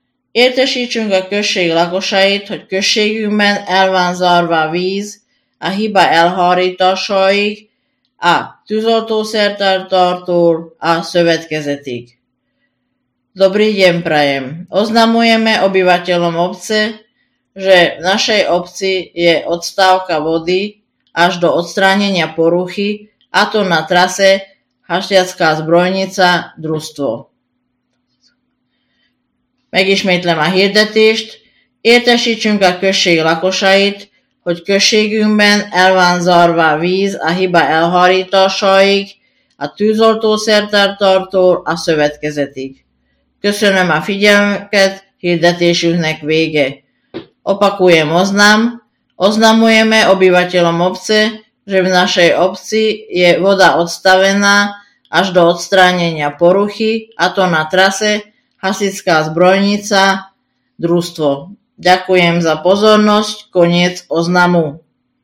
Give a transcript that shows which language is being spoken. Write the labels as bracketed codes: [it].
[hu] Értesítsünk a község lakosait, hogy községünkben el van zárva víz a hiba elhárításaig, a tűzoltószertartótól a szövetkezetig. [sk] Dobrý deň prajem! Oznamujeme obyvateľom obce, že v našej obci je odstávka vody až do odstránenia poruchy, a to na trase Hašťacká zbrojnica družstvo. [hu] Megismétlem a hirdetést, értesítsünk a község lakosait, hogy községünkben el van zárva víz a hiba elhárításaig, a tűzoltószertartótól a szövetkezetig. Köszönöm a figyelmet, hirdetésünknek vége. [sk] Opakujem oznam, oznamujeme obyvateľom obce, že v našej obci je voda odstavená až do odstránenia poruchy, a to na trase Hasičská zbrojnica, družstvo. Ďakujem za pozornosť, koniec oznamu.